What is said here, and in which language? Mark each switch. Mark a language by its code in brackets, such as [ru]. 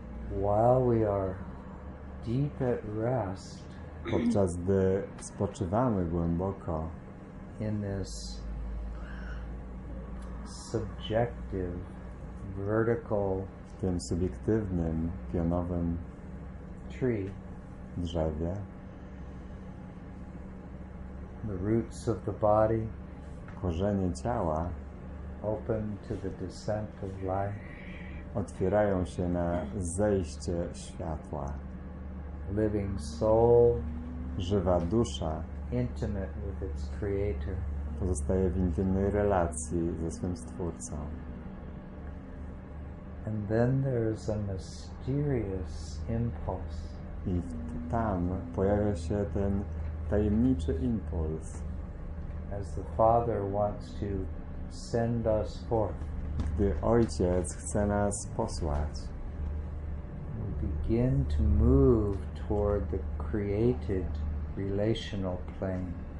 [en] While we are deep at rest. [pl] Podczas gdy spoczywamy głęboko. [en] In this subjective, vertical. [pl] W tym subiektywnym, pionowym. [en] Tree. [pl] Drzewie. [en] The roots of the body. [pl] Korzenie ciała. [en] Open to the descent of life. [pl] Otwierają się na zejście światła. [en] Living soul. [pl] Żywa dusza. [en] Intimate with its creator. [pl] Pozostaje w intymnej relacji ze swym stwórcą. [en] And then there is a mysterious impulse. [pl] I tam pojawia się ten tajemniczy impuls. [en] As the Father wants to send us forth. [pl] Gdy Ojciec chce nas posłać. [en] We begin to move toward the created relational plane.